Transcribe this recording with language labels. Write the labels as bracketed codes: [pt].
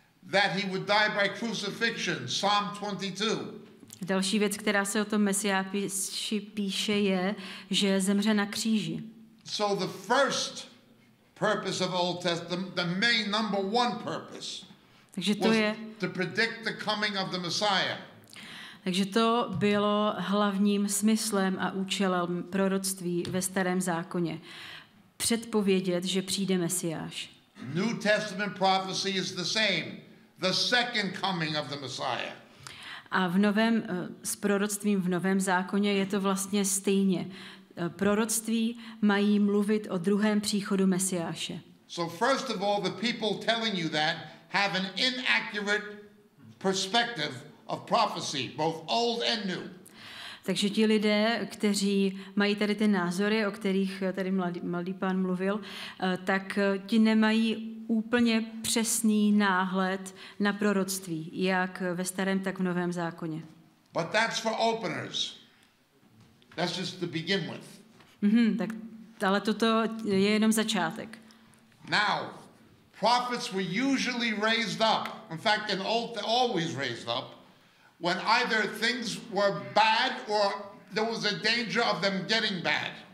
[en] That he would die by crucifixion, Psalm 22. [cs] Další věc, která se o tom Mesiáši píše, je, že zemře na kříži. [en] So the first purpose of Old Testament, the main number one purpose, [cs] takže to [en] was [cs] je [en] to predict the coming of the Messiah. [cs] Takže to bylo hlavním smyslem a účelem proroctví ve Starém zákoně. Předpovědět, že přijde Mesiáš. [en] New Testament prophecy is the same. The second coming of the Messiah. [cs] A v novém, s proroctvím v Novém zákoně je to vlastně stejně. Proroctví mají mluvit o druhém příchodu Mesiáše. [en] So first of all, the people telling you that have an inaccurate perspective of prophecy, both old and new. [cs] Takže ti lidé, kteří mají tady ty názory, o kterých tady mladý pán mluvil, tak ti nemají úplně přesný náhled na proroctví, jak ve Starém, tak v Novém zákoně. [en] But that's for openers. That's just to begin with. [cs] Tak, ale toto je jenom začátek. [en] Now, prophets were usually raised up, in fact, in old, always raised up, when either things were bad or there was a danger of them getting bad.